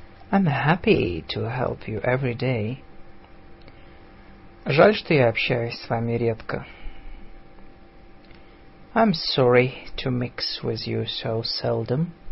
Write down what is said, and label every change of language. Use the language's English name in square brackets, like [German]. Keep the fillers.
[English] I'm happy to help you every day. [Russian] Жаль, что я общаюсь с вами редко. [English] I'm sorry to mix with you so seldom.